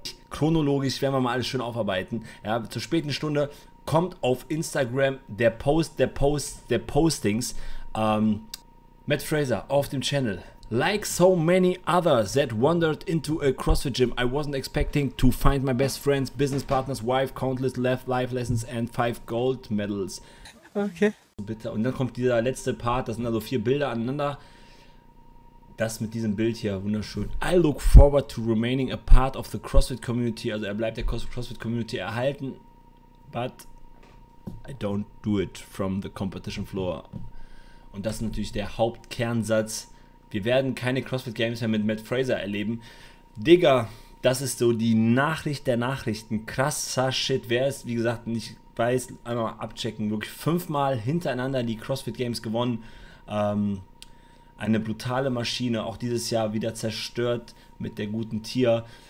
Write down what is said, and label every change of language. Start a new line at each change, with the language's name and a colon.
German: Chronologisch werden wir mal alles schön aufarbeiten. Ja, zur späten Stunde kommt auf Instagram der Post, der Post, der Postings. Matt Fraser auf dem Channel.
English: Like so many others that wandered into a CrossFit gym, I wasn't expecting to find my best friends, business partners, wife, countless life lessons and 5 gold medals. Okay.
German: Bitte. Und dann kommt dieser letzte Part, das sind also 4 Bilder aneinander. Das mit diesem Bild hier, wunderschön.
English: I look forward to remaining a part of the CrossFit Community.
German: Also er bleibt der CrossFit Community erhalten.
English: But I don't do it from the competition floor.
German: Und das ist natürlich der Hauptkernsatz. Wir werden keine CrossFit Games mehr mit Matt Fraser erleben. Digga, das ist so die Nachricht der Nachrichten. Krasser Shit. Wer es, wie gesagt, nicht weiß, einmal abchecken. Wirklich 5-mal hintereinander die CrossFit Games gewonnen. Eine brutale Maschine, auch dieses Jahr wieder zerstört mit der guten Tier.